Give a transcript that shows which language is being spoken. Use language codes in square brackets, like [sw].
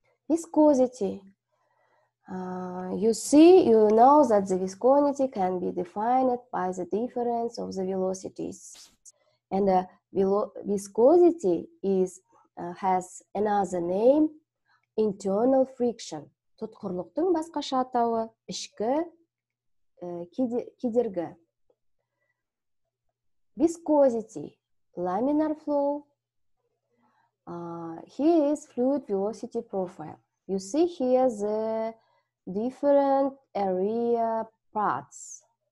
[en] Viscosity. You know that the viscosity can be defined by the difference of the velocities. And viscosity is, has another name, internal friction. [kk] Тұтқырлықтың басқаша атауы ішкі кедергі. [en] Viscosity, laminar flow. Here is fluid velocity profile. You see here the different area parts.